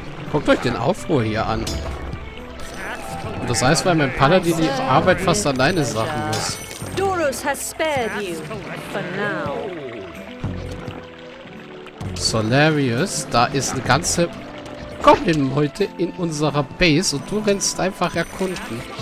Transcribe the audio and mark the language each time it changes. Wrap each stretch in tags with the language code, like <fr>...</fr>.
<de>Guckt euch den Aufruhr hier an. Und das heißt, weil mein Paladin die Arbeit fast alleine sachen muss.</de> <en>Doros has spared you for now.</en> <de>Solarius, da ist eine ganze Goblin-Meute in unserer Base und du rennst einfach erkunden.</de>